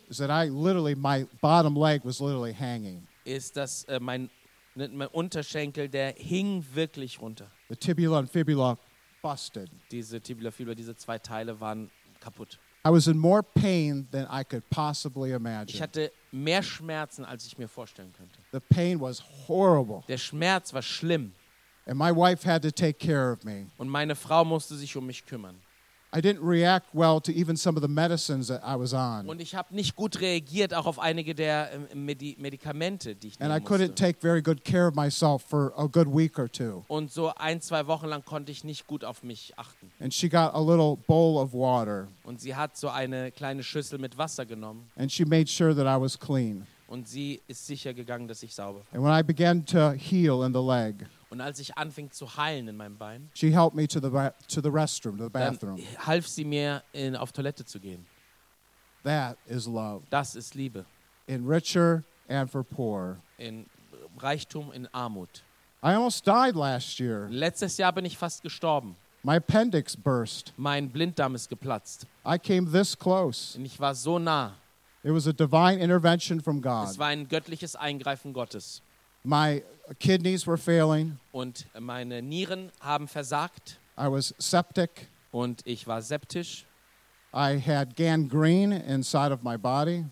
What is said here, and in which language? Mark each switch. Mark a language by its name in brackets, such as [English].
[English] Is that I literally my bottom leg was literally hanging. [German] Ist, dass mein Unterschenkel, der hing wirklich runter. [English] The tibula and fibula busted. [German] Diese Tibia und Fibula, diese 2 Teile waren kaputt. [English] I was in more pain than I could possibly imagine. [German] Ich hatte mehr Schmerzen, als ich mir vorstellen könnte. [English] The pain was horrible. [German] Der Schmerz war schlimm. [English] And my wife had to take care of me. [German] Und meine Frau musste sich um mich kümmern. [English] I didn't react well to even some of the medicines that I was on. [German] Und ich habe nicht gut reagiert auch auf einige der Medikamente, die ich nehmen [English] And I couldn't [German] musste. [English] Take very good care of myself for a good week or two. [German] Und so ein, zwei Wochen lang konnte ich nicht gut auf mich achten. [English] And she got a little bowl of water. [German] Und sie hat so eine kleine Schüssel mit Wasser genommen. [English] And she made sure that I was clean. [German] Und sie ist sicher gegangen, dass ich sauber war. [English] And when I began to heal in the leg, [German] und als ich anfing zu heilen in meinem Bein, [English] she helped me to the restroom, to the bathroom. [German] Dann half sie mir, auf Toilette zu gehen. [English] That is love. [German] Das ist Liebe. [English] In richer and for poor. [German] In Reichtum, in Armut. [English] I almost died last year. [German] Letztes Jahr bin ich fast gestorben. [English] My appendix burst. [German] Mein Blinddarm ist geplatzt. [English] I came this close. [German] Und ich war so nah. [English] It was a divine intervention from God. [German] Es war ein göttliches Eingreifen Gottes. [English] My kidneys were failing. [German] Und meine Nieren haben versagt. [English] I was septic. [German] Und ich war septisch. [English] I had gangrene inside of my body.